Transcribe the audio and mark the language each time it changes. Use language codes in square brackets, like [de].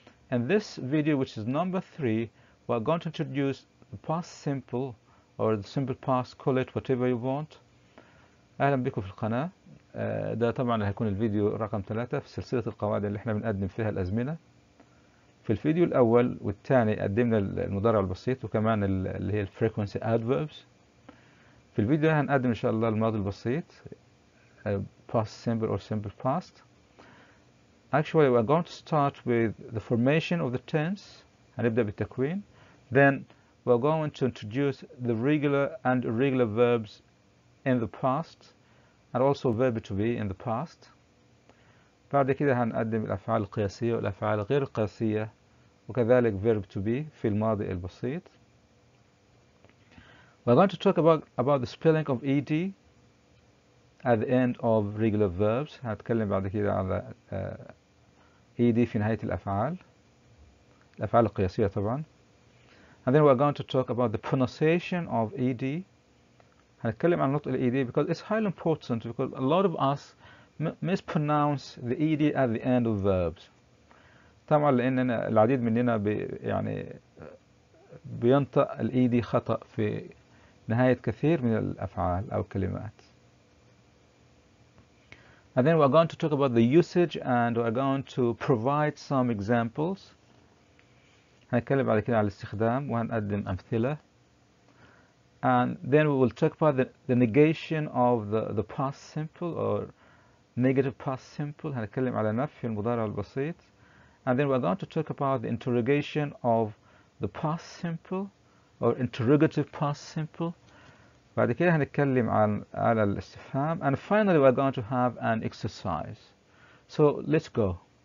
[en] And this video, which is number 3, we are going to introduce the past simple or the simple past, call it whatever you want. [ar] أهلا بكم في القناة. ده طبعا هيكون الفيديو رقم 3 في سلسلة القواعد اللي احنا بنقدم فيها الأزمنة. في الفيديو الأول والثاني قدمنا المضارع البسيط وكمان اللي هي الفريكونسي adverbs. في الفيديو هنقدم إن شاء الله الماضي البسيط [en] past simple or simple past. Actually we are going to start with the formation of the tense. [ar] هنبدأ بالتكوين. [en] Then we are going to introduce the regular and irregular verbs in the past. And also verb to be in the past. [ar] بعد كده هنقدم الأفعال القياسية والأفعال غير القياسية وكذلك [en] verb to be [ar] في الماضي البسيط. [en] We're going to talk about the spelling of ed at the end of regular verbs. [ar] هنتكلم بعد كده على ed في نهاية الأفعال. الأفعال القياسية طبعا. [en] And then we're going to talk about the pronunciation of ed. [ar] هنتكلم عن نطق الـ [en] ed because it's highly important because a lot of us mispronounce the ed at the end of verbs. [ar] طبعا لأن العديد مننا يعني بينطق الـ ed خطأ في نهاية كثير من الأفعال أو الكلمات. [en] And then we're going to talk about the usage and we're going to provide some examples. [ar] هنتكلم بعد كده عن الاستخدام وهنقدم أمثلة. [en] And then we will talk about the negation of the past simple or negative past simple. [ar] هنتكلم على نفي المضارع البسيط. [en] And then we're going to talk about the interrogation of the past simple or interrogative past simple. [ar] بعد كده هنتكلم عن على الاستفهام. [en] And finally we're going to have an exercise. So let's go.